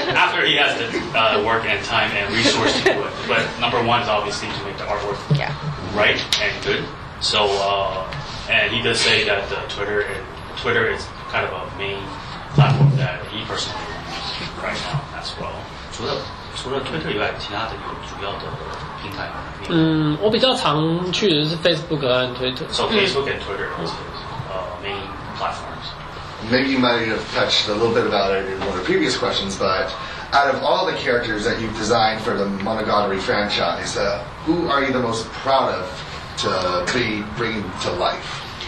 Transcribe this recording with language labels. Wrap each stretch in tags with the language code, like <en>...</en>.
<en>After he has the work and time and resource to do it. But number one is obviously to make the artwork right and good. So, and he does say that Twitter is kind of a main platform that he personally uses right now as well.</en> <zh>除了 Twitter 以外，其他的有主要的平台吗？我比较常去的是 Facebook 和 Twitter.</zh> <en>So Facebook and Twitter are his main platforms. Maybe you might have touched a little bit about it in one of the previous questions, but out of all the characters that you've designed for the Monogatari franchise, who are you the most proud of to be bringing to life?</en>